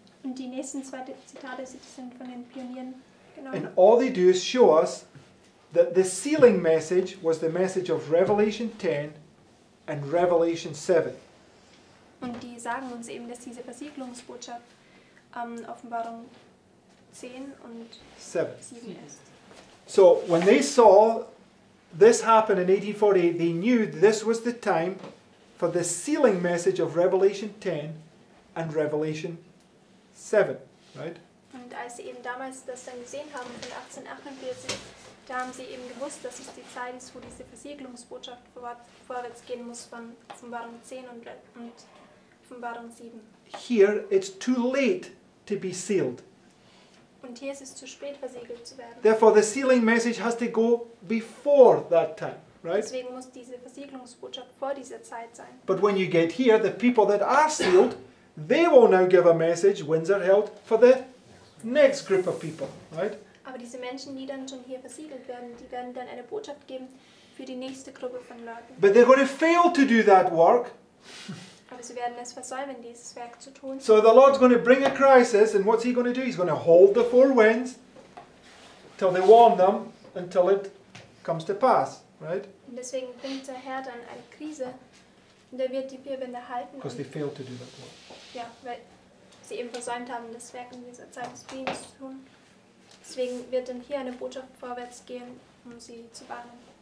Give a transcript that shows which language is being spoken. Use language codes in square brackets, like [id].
[de] Und die nächsten zwei Zitate sind von den Pionieren genommen. [en] And all they do is show us that the sealing message was the message of Revelation 10 and Revelation 7. [de] Und die sagen uns eben, dass diese Versiegelungsbotschaft Offenbarung 10 und 7 ist. [en] So, when they saw this happened in 1848, they knew this was the time for the sealing message of Revelation 10 and Revelation 7, right? [de] Und als sie eben damals das dann gesehen haben in 1848, da haben sie eben gewusst, dass es die Zeit ist, wo diese Versiegelungsbotschaft vorwärts gehen muss von Offenbarung 10 und Offenbarung 7. [en] Here it's too late to be sealed. [de] Und hier ist es zu spät, versiegelt zu werden. [en] Therefore, the sealing message has to go before that time, right? [de] Deswegen muss diese Versiegelungsbotschaft vor dieser Zeit sein. [en] But when you get here, the people that are sealed, they will now give a message, winds are held, for the next group of people, right? [de] Aber diese Menschen, die dann schon hier versiegelt werden, die werden dann eine Botschaft geben für die nächste Gruppe von Leuten. [en] But they're going to fail to do that work. [de] Aber sie werden es versäumen, dieses Werk zu tun. [en] So the Lord's going to bring a crisis, and what's he going to do? He's going to hold the four winds till they warn them, until it comes to pass, right? [de] Und deswegen bringt der Herr dann eine Krise, und er wird die vier Winde halten. [en] Because they failed to do that work. [de] Ja, weil sie eben versäumt haben, das Werk in dieser Zeit des Friedens zu tun. Deswegen wird dann hier eine Botschaft vorwärts gehen, um sie zu warnen.